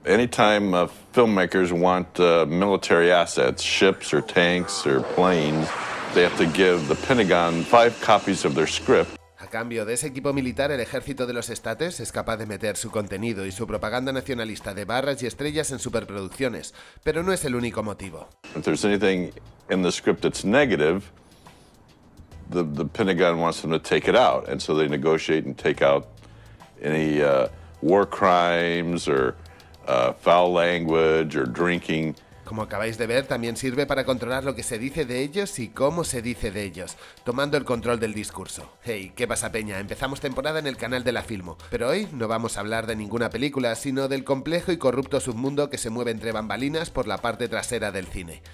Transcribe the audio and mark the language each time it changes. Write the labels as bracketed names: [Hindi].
[English] Anytime filmmakers want military assets, ships or tanks or planes, they have to give the Pentagon 5 copies of their script. [Spanish] A cambio de ese equipo militar, el ejército de los estates es capaz de meter su contenido y su propaganda nacionalista de barras y estrellas en superproducciones, pero no es el único motivo. [English] If there's anything in the script that's negative, the Pentagon wants them to take it out, and so they negotiate and take out any war crimes or foul language or drinking. [Spanish] Como acabáis de ver, también sirve para controlar lo que se dice de ellos y cómo se dice de ellos, tomando el control del discurso. Hey, ¿qué pasa, peña? Empezamos temporada en el canal de la Filmo, pero hoy no vamos a hablar de ninguna película, sino del complejo y corrupto submundo que se mueve entre bambalinas por la parte trasera del cine.